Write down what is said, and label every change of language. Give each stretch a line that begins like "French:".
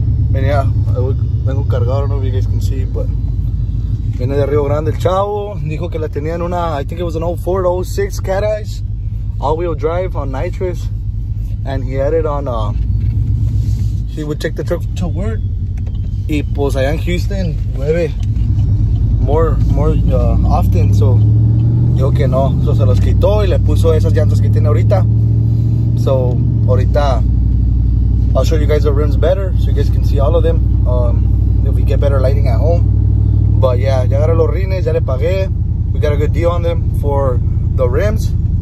Spanish: Venía, vengo cargado, no sé si
English: you guys can see,
Spanish: but viene de Rio Grande el chavo. Dijo que la tenía en una,
English: I think it was an 04 to 06 Cat Eyes. All wheel drive on nitrous. And he had it on he would take the truck to work.
Spanish: Y pues allá en Houston llueve
English: more often.
Spanish: So yo que no. So se los quitó y le puso esas llantas que tiene ahorita.
English: So ahorita I'll show you guys the rims better so you guys can see all of them. If we get better lighting at home. But yeah,
Spanish: ya agarré los rines, ya le pagué.
English: We got a good deal on them for the rims.